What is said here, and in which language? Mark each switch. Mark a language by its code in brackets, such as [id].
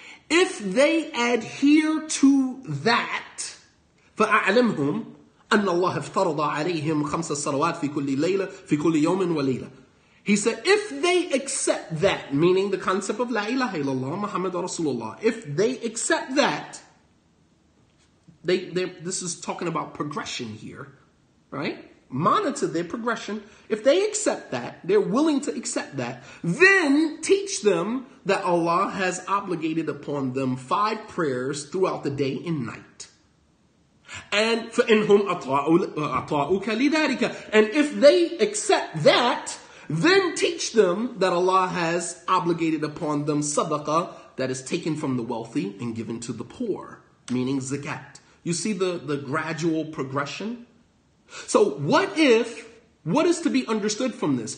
[en] If they adhere to that, [ar] فَأَعْلِمْهُمْ أَنَّ اللَّهَ افْتَرَضَ عَلَيْهِمْ خَمْسَ صَلَوَاتٍ فِي كُلِّ لَيْلَةٍ فِي كُلِّ يَوْمٍ وَلَيْلَةٍ. [en] He said, if they accept that, meaning the concept of La ilaha illallah, Muhammad Rasulullah, if they accept that, this is talking about progression here, right? Monitor their progression. If they accept that, they're willing to accept that, then teach them that Allah has obligated upon them 5 prayers throughout the day and night. [ar] And فَإِنْهُمْ أَطَاءُكَ لِذَٰلِكَ. [en] And if they accept that, then teach them that Allah has obligated upon them sadaqah, that is taken from the wealthy and given to the poor, meaning zakat. You see the gradual progression? So what is to be understood from this?